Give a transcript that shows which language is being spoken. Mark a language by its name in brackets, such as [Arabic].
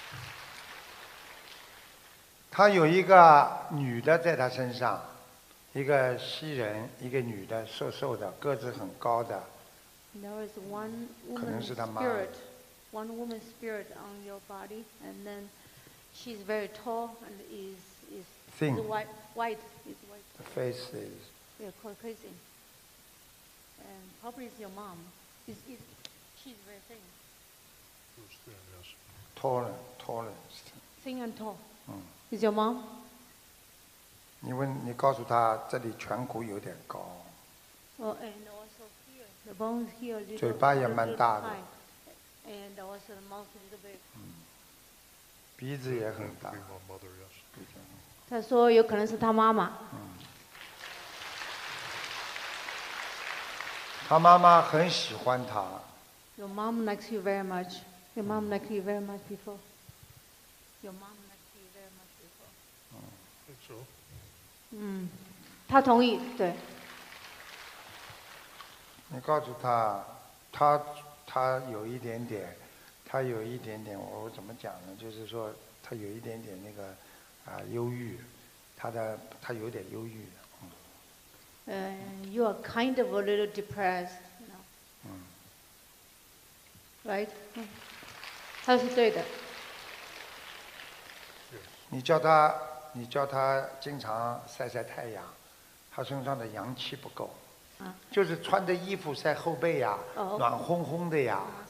[English] Yeah. [Chinese] 他有一个女的在他身上，一个西人，一个女的，瘦瘦的，个子很高的。 [English] There is one woman, [Chinese] 可能是他妈。 [English] Spirit, one woman spirit on your body, and then she's very tall and is white. The face is. Yeah, Caucasian. And probably is your mom. She's very thin. Who's thin, yes. Tall. Thin and tall. Is your mom? [Chinese] 你问，你告诉他这里颧骨有点高。 [English] Oh, and also here, the bone here a little. [Chinese] 嘴巴也蛮大的。 [English] And also the mouth a little bit. [Chinese] 鼻子也很大。 [English] My mother, yes. [Chinese] 他说有可能是他妈妈。他妈妈很喜欢他。 [English] Your mom likes you very much. Your mom likes you very much before. Your mom likes you very much before. [Chinese] 嗯，是。嗯，他同意，对。你告诉他，他有一点点，他有一点点，我怎么讲呢？就是说，他有一点点那个忧郁，他有点忧郁。 [English] You are kind of a little depressed, you know. [Chinese] Right? 他是对的。你叫他经常晒晒太阳，他身上的阳气不够。就是穿着衣服晒后背呀，暖烘烘的呀。